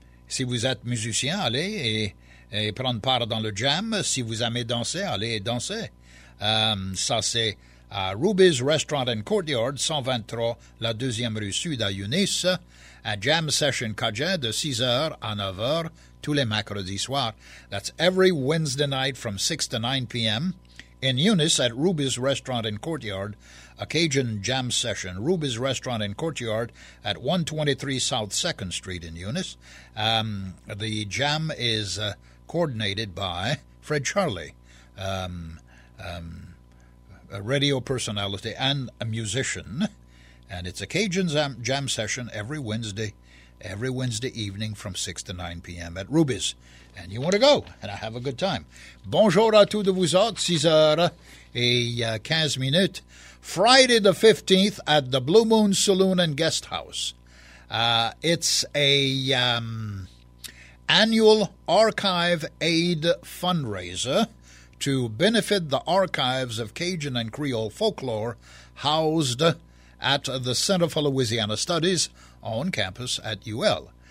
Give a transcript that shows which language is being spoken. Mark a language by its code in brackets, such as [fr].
[fr] Si vous êtes musicien, allez et prendre part dans le jam. Si vous aimez danser, allez danser. Ça, c'est à Ruby's Restaurant and Courtyard, 123, la 2e rue Sud à Younis. A jam session Cajun de 6h à 9h tous les mercredis soirs. [en] That's every Wednesday night from 6 to 9 p.m. in Younis at Ruby's Restaurant and Courtyard. A Cajun Jam Session, Ruby's Restaurant and Courtyard at 123 South 2nd Street in Younis. The jam is coordinated by Fred Charlie, a radio personality and a musician. And it's a Cajun Jam Session every Wednesday evening from 6 to 9 p.m. at Ruby's. And you want to go, and I have a good time. [fr] Bonjour à tous de vous autres, 6h et 15 minutes. [en] Friday the 15th at the Blue Moon Saloon and Guest House. It's a annual archive aid fundraiser to benefit the archives of Cajun and Creole folklore housed at the Center for Louisiana Studies on campus at UL.